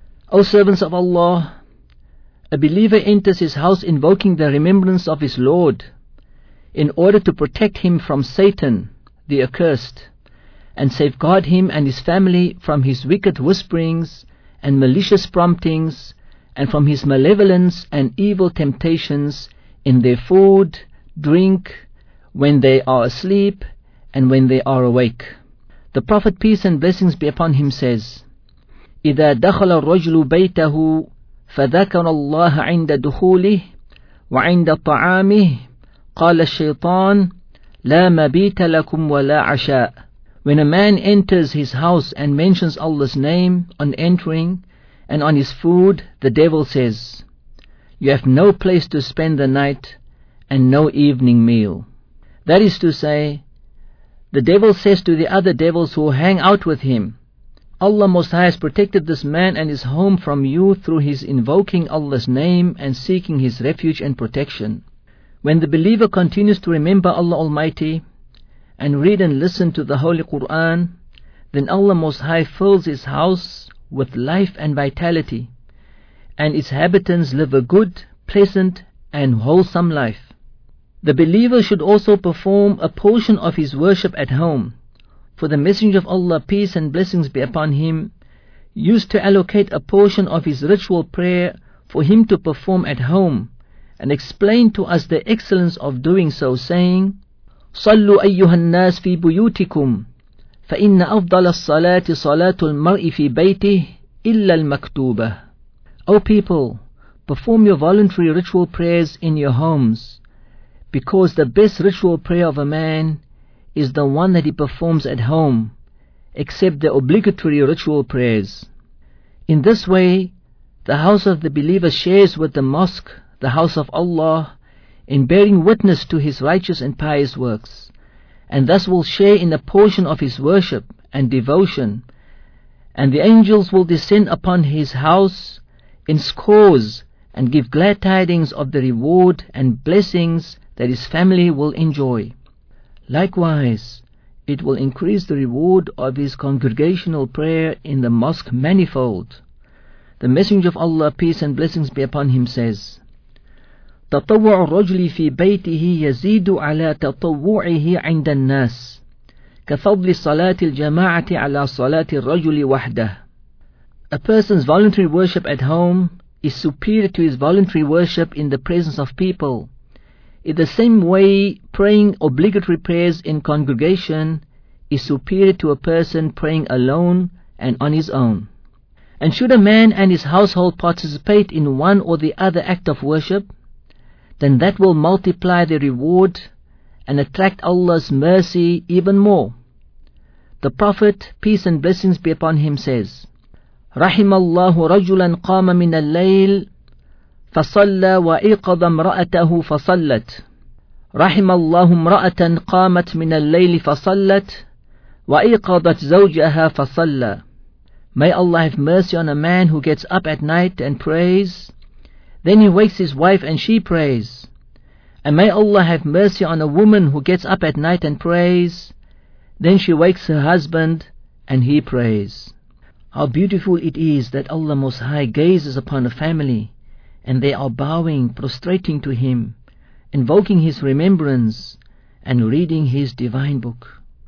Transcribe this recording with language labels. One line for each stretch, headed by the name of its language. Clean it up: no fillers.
English: O servants of Allah, a believer enters his house invoking the remembrance of his Lord, in order to protect him from Satan, the accursed, and safeguard him and his family from his wicked whisperings and malicious promptings, and from his malevolence and evil temptations in their food, drink, when they are asleep, and when they are awake. The Prophet, peace and blessings be upon him, says,
Arabic: إِذَا دَخَلَ الرَّجْلُ بَيْتَهُ فَذَكَرَ اللَّهَ عِنْدَ دُخُولِهِ وَعِنْدَ طَعَامِهِ قَالَ الشَّيْطَانُ لَا مَبِيتَ لَكُمْ وَلَا عَشَاءُ.
English: When a man enters his house and mentions Allah's name on entering and on his food, the devil says, you have no place to spend the night and no evening meal. That is to say, the devil says to the other devils who hang out with him, Allah Most High has protected this man and his home from you through his invoking Allah's name and seeking his refuge and protection. When the believer continues to remember Allah Almighty and read and listen to the Holy Quran, then Allah Most High fills his house with life and vitality, and its inhabitants live a good, pleasant, and wholesome life. The believer should also perform a portion of his worship at home, for the Messenger of Allah, peace and blessings be upon him, used to allocate a portion of his ritual prayer for him to perform at home, and explain to us the excellence of doing so, saying,
Arabic: صلوا أيها الناس في بيوتكم فإن أفضل الصلاة صلاة المرء في بيته إلا المكتوبة.
English: O people, perform your voluntary ritual prayers in your homes, because the best ritual prayer of a man is the one that he performs at home, except the obligatory ritual prayers. In this way, the house of the believer shares with the mosque, the house of Allah, in bearing witness to his righteous and pious works, and thus will share in a portion of his worship and devotion, and the angels will descend upon his house in scores and give glad tidings of the reward and blessings that his family will enjoy. Likewise, it will increase the reward of his congregational prayer in the mosque manifold. The Messenger of Allah, peace and blessings be upon him, says,
Arabic: تَطَوَّعُ الرَّجْلِ فِي بَيْتِهِ يَزِيدُ عَلَى تَطَوُّعِهِ عِنْدَ النَّاسِ كَفَضْلِ صَلَاةِ الْجَمَاعَةِ عَلَى صَلَاةِ الرَّجُلِ وَحْدَهِ.
English: A person's voluntary worship at home is superior to his voluntary worship in the presence of people. In the same way, praying obligatory prayers in congregation is superior to a person praying alone and on his own. And should a man and his household participate in one or the other act of worship, then that will multiply the reward and attract Allah's mercy even more. The Prophet, peace and blessings be upon him, says,
Arabic: رَحِمَ اللَّهُ رَجُلًا قَامَ مِنَ اللَّيْلِ فَصَلَّى وَإِيقَظَ امْرَأَتَهُ فَصَلَّتْ رَحِمَ اللَّهُ امْرَأَةً قَامَتْ مِنَ اللَّيْلِ فَصَلَّتْ وَإِيقَظَتْ زَوْجَهَا فَصَلَّى.
English: May Allah have mercy on a man who gets up at night and prays. Then he wakes his wife and she prays. And may Allah have mercy on a woman who gets up at night and prays. Then she wakes her husband and he prays. How beautiful it is that Allah Most High gazes upon a family and they are bowing, prostrating to him, invoking his remembrance and reading his divine book.